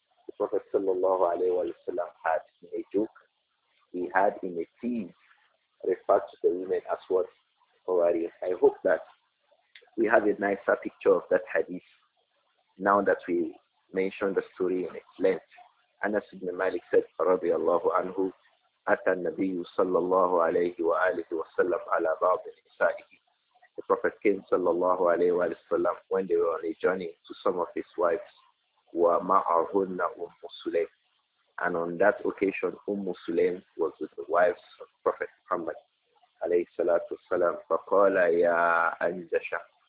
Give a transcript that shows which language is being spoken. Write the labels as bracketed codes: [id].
[en] The Prophet sallallahu alaihi wasallam had in a joke, he had in a tease referred to the women as what already. I hope that we have a nicer picture of that hadith now that we mentioned the story in its length. Anas ibn Malik said, [ar] رضي الله عنه, أتى النبي صلى الله عليه وآله وسلم على بعض نسائه. [en] The Prophet came صلى الله عليه وآله وسلم when they were on a journey to some of his wives. [ar] ومعهن أم سليم. [en] And on that occasion, Umm Sulaym was with the wives of Prophet Muhammad عليه الصلاة والسلام. [ar] فقال يا أنجشة.